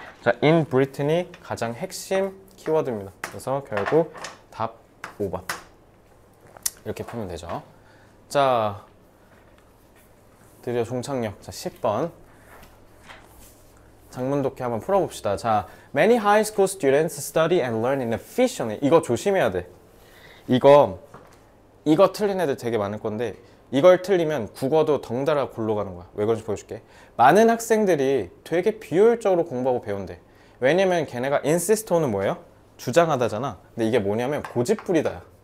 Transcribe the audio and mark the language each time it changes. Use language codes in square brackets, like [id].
[ko] 자, in Britain이 가장 핵심 키워드입니다. 그래서 결국 답 5번 이렇게 풀면 되죠. 자, 드디어 종착역. 자, 10번 장문독해 한번 풀어봅시다. [en] 자, many high school students study and learn in efficiently. [ko] 이거 조심해야 돼. 이거 틀린 애들 되게 많을 건데. 이걸 틀리면 국어도 덩달아 골로 가는 거야. 왜 그런지 보여줄게. 많은 학생들이 되게 비효율적으로 공부하고 배운대. 왜냐면 걔네가 insist 또는 뭐예요? 주장하다잖아. 근데 이게 뭐냐면 고집부리다야.